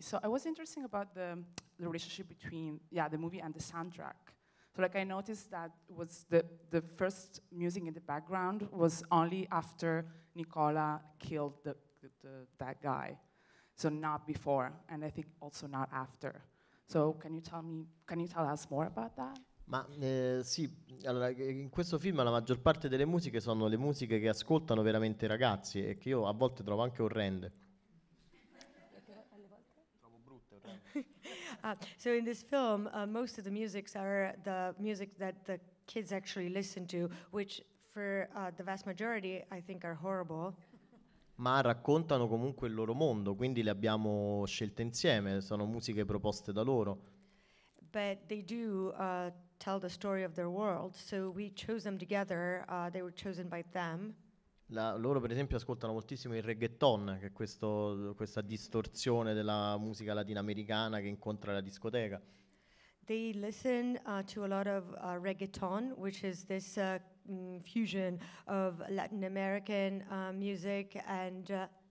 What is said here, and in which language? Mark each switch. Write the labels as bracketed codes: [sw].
[en] So I was interested about the relationship between the movie and the soundtrack. So like I noticed that was the first music in the background was only after Nicola killed that guy. So not before, and I think also not after. So can you tell us more about that? [it] Ma sì, allora in questo film la maggior parte delle musiche sono le musiche che ascoltano veramente i ragazzi e che io a volte trovo anche orrende. Trovo brutte. [en] So in this film most of the musics are the music that the kids actually listen to, which for the vast majority I think are horrible. [it] Ma raccontano comunque il loro mondo, quindi le abbiamo scelte insieme, sono musiche proposte da loro. [en] But they do tell the story of their world, so we chose them together, they were chosen by them. [it] Loro per esempio ascoltano moltissimo il reggaeton, che è questa distorsione della musica latinoamericana che incontra la discoteca. [en] They listen to a lot of reggaeton, which is this fusion of Latin American music and...